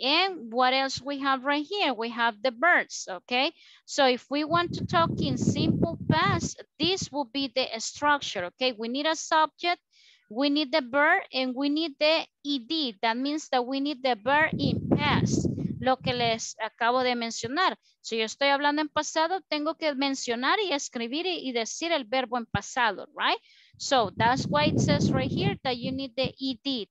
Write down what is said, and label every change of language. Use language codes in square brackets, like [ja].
[en] And what else we have right here? We have the verbs, okay? So if we want to talk in simple past, this will be the structure, okay? We need a subject. We need the verb and we need the ed. That means that we need the verb in past. [es] lo que les acabo de mencionar. Si yo estoy hablando en pasado, tengo que mencionar y escribir y decir el verbo en pasado, right? [en] So that's why it says right here that you need the ed.